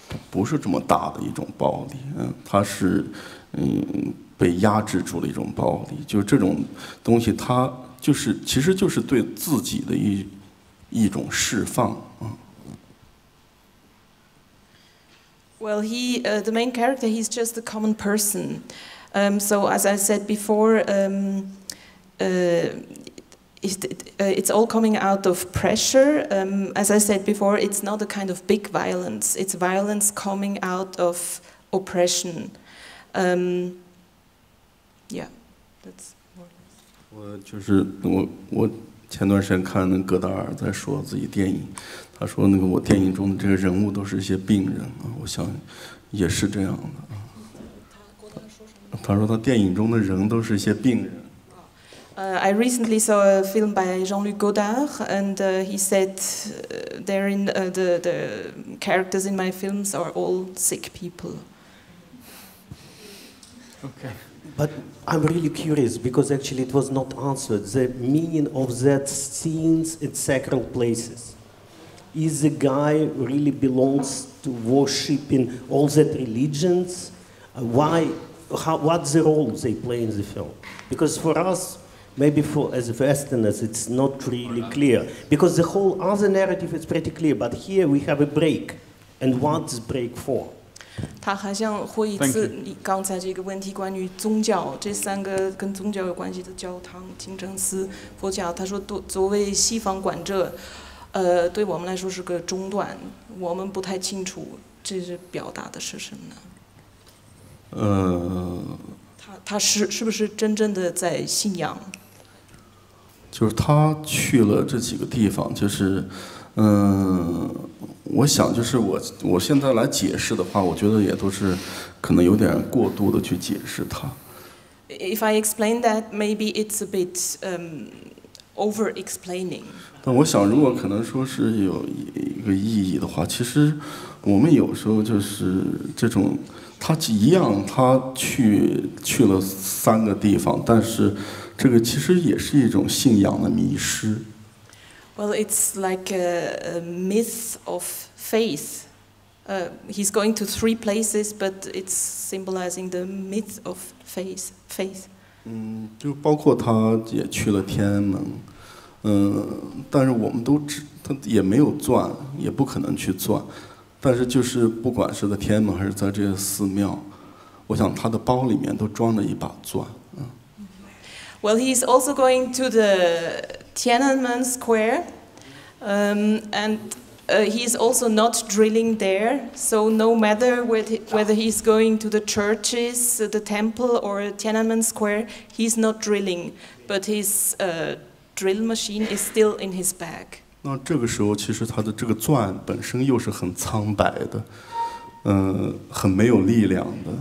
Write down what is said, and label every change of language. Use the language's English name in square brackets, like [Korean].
[Chinese] 不是这么大的一种暴力，他是被压制住了一种暴力，就是这种东西他就是其实就是对自己的一种释放啊。 [English] Well, the main character, he's just a common person. So as I said before, it's all coming out of pressure. As I said before, it's not a kind of big violence. It's violence coming out of oppression. Yeah, that's more or less. [Chinese] 我前段时间看那戈达尔在说自己电影，他说那个我电影中的这个人物都是一些病人啊，我想也是这样的啊。他说他电影中的人都是一些病人。 [English] I recently saw a film by Jean-Luc Godard, and he said therein the characters in my films are all sick people. Okay. But I'm really curious because actually it was not answered. The meaning of that scenes in sacred places. Is the guy really belongs to worshipping all that religions? What's the role they play in the film? Because for us, maybe for as Westerners, it's not really clear. Because the whole other narrative is pretty clear, but here we have a break. And what's the break for? [Chinese] 他好像回忆自刚才这个问题，关于宗教这三个跟宗教有关系的教堂、清真寺、佛教。他说，作为西方管者，对我们来说是个中断，我们不太清楚这是表达的是什么呢？他是不是真正的在信仰？就是他去了这几个地方，就是，我想就是我现在来解释的话，我觉得也都是可能有点过度的去解释它。 [English] If I explain that, maybe it's a bit over-explaining. [Chinese] 但我想，如果可能说是有一个意义的话，其实我们有时候就是这种，他一样，他去了三个地方，但是这个其实也是一种信仰的迷失。 [English] Well, it's like a myth of faith. He's going to three places, but it's symbolizing the myth of faith. [Chinese] 就包括他也去了天安门，但是我们都知他也没有钻，也不可能去钻。但是就是不管是在天安门还是在这些寺庙，我想他的包里面都装着一把钻。 [English] Well, he's also going to the Tiananmen Square, he's also not drilling there. So no matter whether he's going to the churches, the temple, or Tiananmen Square, he's not drilling. But his drill machine is still in his bag. [Chinese] 那这个时候，其实他的这个钻本身又是很苍白的，很没有力量的。